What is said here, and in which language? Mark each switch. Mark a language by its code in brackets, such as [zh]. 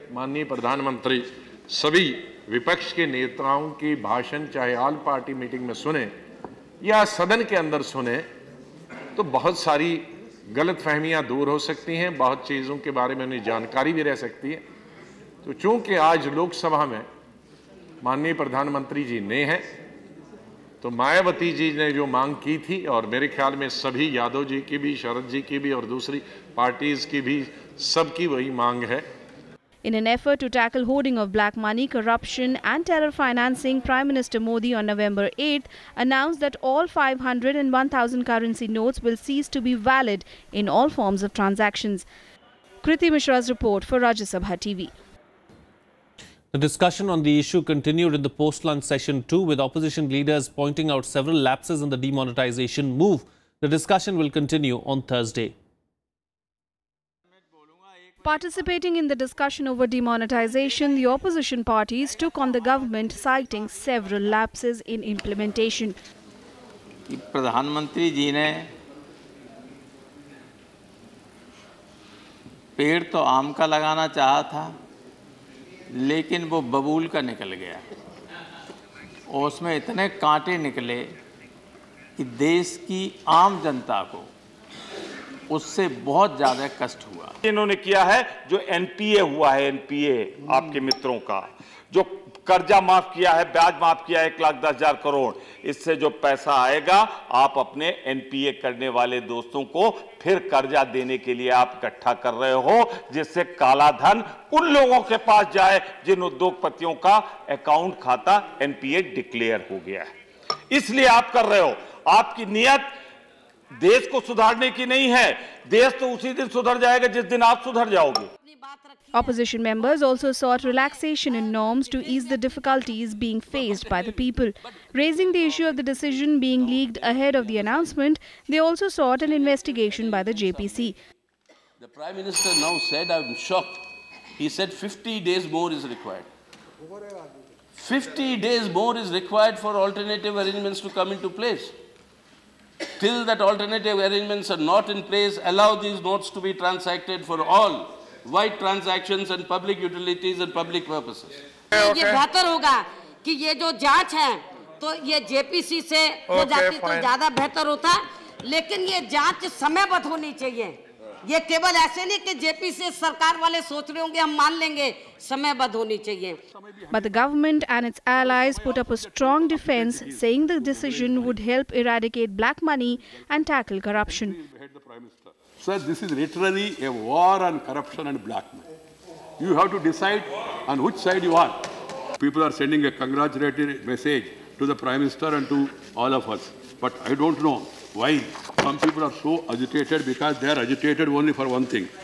[hi] माननीय प्रधानमंत्री सभी विपक्ष के नेताओं की भाषण चाहे ऑल पार्टी मीटिंग में सुने या सदन के अंदर सुने तो बहुत सारी गलत फहमियां दूर हो सकती हैं, बहुत चीजों के बारे में उन्हें जानकारी भी रह सकती है। तो चूंकि आज लोकसभा में माननीय प्रधानमंत्री जी ने हैं, तो मायावती जी ने जो मांग की थी और मेरे ख्याल में सभी यादव जी की भी, शरद जी की भी और दूसरी पार्टीज की भी सबकी वही मांग है। [en] In an effort to tackle hoarding of black money, corruption and terror financing, Prime Minister Modi on November 8th announced that all 500 and 1,000 currency notes will cease to be valid in all forms of transactions. Kriti Mishra's report for Rajya Sabha TV. The discussion on the issue continued in the post-lunch session too, with opposition leaders pointing out several lapses in the demonetization move. The discussion will continue on Thursday. Participating in the discussion over demonetization, the opposition parties took on the government, citing several lapses in implementation. [hi] Pradhan Mantri ji ne ped to aam ka lagana chaha tha, lekin wo babool ka nikal gaya. Usme itne kaante nikle ki desh ki aam janta ko उससे बहुत ज्यादा कष्ट हुआ। इन्होंने किया है जो NPA हुआ है, एनपीए आपके मित्रों का, जो कर्जा माफ किया है, ब्याज माफ किया है 1,10,000 करोड़, इससे जो पैसा आएगा आप अपने एनपीए करने वाले दोस्तों को फिर कर्जा देने के लिए आप इकट्ठा कर रहे हो, जिससे काला धन उन लोगों के पास जाए जिन उद्योगपतियों का अकाउंट खाता एनपीए डिक्लेयर हो गया है, इसलिए आप कर रहे हो। आपकी नियत देश को सुधारने की नहीं है, देश तो उसी दिन सुधर जाएगा जिस दिन आप सुधर जाओगे। [en] Opposition members also sought relaxation in norms to ease the difficulties being faced by the people. Raising the issue of the decision being leaked ahead of the announcement, they also sought an investigation by the JPC. The Prime Minister now said, I'm shocked. He said 50 days more is required. 50 days more is required for alternative arrangements to come into place. Till that alternative arrangements are not in place, allow these notes to be transacted for all white transactions and public utilities and public purposes. [hi] ये बेहतर होगा कि ये जो जांच है तो ये जेपीसी से हो जाती तो ज्यादा बेहतर होता, लेकिन ये जांच समयबद्ध होनी चाहिए। ये केवल ऐसे नहीं कि जेपीसी सरकार वाले सोच रहे होंगे हम मान लेंगे, समयबद्ध होनी चाहिए। [en] But the government and its allies put up a strong defense, saying the decision would help eradicate black money and tackle corruption. Sir, this is literally a war on corruption and black money. You have to decide on which side you are. People are sending a congratulatory message to the Prime Minister and to all of us, but I don't know why some people are so agitated, because they are agitated only for one thing.